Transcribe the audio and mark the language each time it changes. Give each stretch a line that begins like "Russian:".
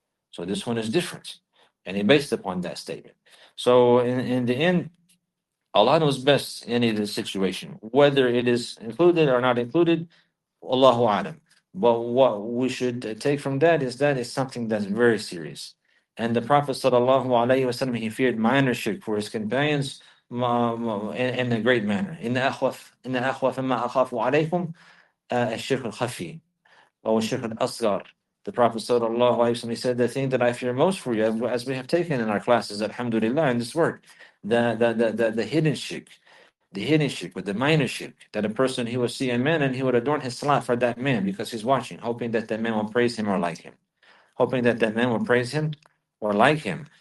English: So this one is different, and he based upon that statement. So in the end, Allah knows best in the situation, whether it is included or not included, Allahu A'lam. But what we should take from that is that it's something that's very serious. And the Prophet sallallahu alaihi wasallam, he feared minor shirk for his companions, in a great manner.
Arabic: إن أخوف مما أخاف عليكم الشرك الخفي أو الشرك الأصغر.
English: The Prophet sallallahu alaihi wasallam said, "The thing that I fear most for you, as we have taken in our classes, alhamdulillah, in this work, the hidden shirk, the hidden shirk, but the minor shirk, that a person, he will see a man and he would adorn his salat for that man because he's watching, hoping that that man will praise him or like him, hoping that that man will praise him or like him.